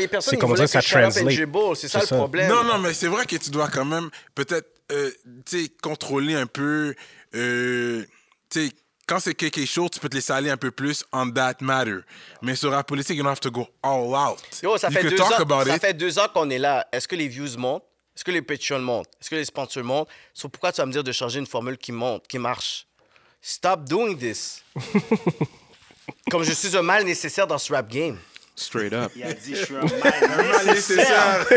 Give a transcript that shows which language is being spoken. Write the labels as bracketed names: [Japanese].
[French] Les personnes, c'est comme ça que ça translate. C'est ça le problème. Non, non, mais c'est vrai que tu dois quand même peut-être, tu sais, contrôler un peu, tu sais... Quand c'est quelque chose, tu peux te laisser aller un peu plus [English] on that matter. [French] Mais sur la politique, [English] you don't have to go all out. [French] Yo, ça fait, deux ans qu'on est là. Est-ce que les views montent? Est-ce que les Patreon montent? Est-ce que les sponsors montent? So, pourquoi tu vas me dire de changer une formule qui monte, qui marche? [English] Stop doing this. [French] Comme je suis un mal nécessaire dans ce rap game. [English] Straight up. [French] Il a dit, je suis un mal nécessaire.